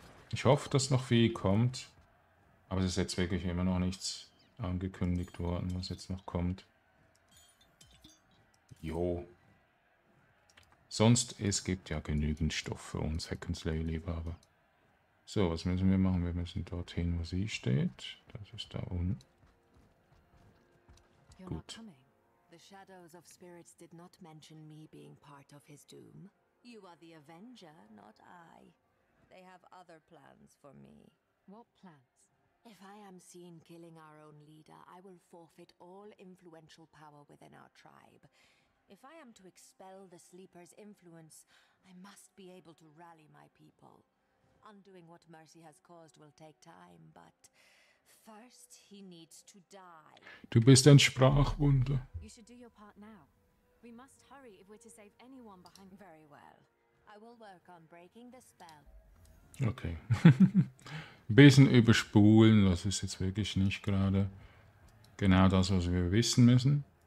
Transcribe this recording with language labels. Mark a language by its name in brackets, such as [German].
[German] Ich hoffe, dass noch viel kommt. Aber es ist jetzt wirklich immer noch nichts angekündigt worden, was jetzt noch kommt. Jo. Sonst, es gibt ja genügend Stoff für uns Hack and Slay lieber, aber... So, was müssen wir machen? Wir müssen dorthin, wo sie steht. Das ist da unten. [English] You're not coming. The shadows of spirits did not mention me being part of his doom. You are the Avenger, not I. They have other plans for me. What plans? If I am seen killing our own leader, I will forfeit all influential power within our tribe. If I am to expel the Sleeper's influence, I must be able to rally my people. Undoing what Mercy has caused will take time, but... First he needs to die. [German] Du bist ein Sprachwunder. [English] You should do your part now. We must hurry if we're to save anyone behind. Very well. I will work on breaking the spell. Okay. [German] Ein bisschen überspulen, das ist jetzt wirklich nicht gerade genau das, was wir wissen müssen.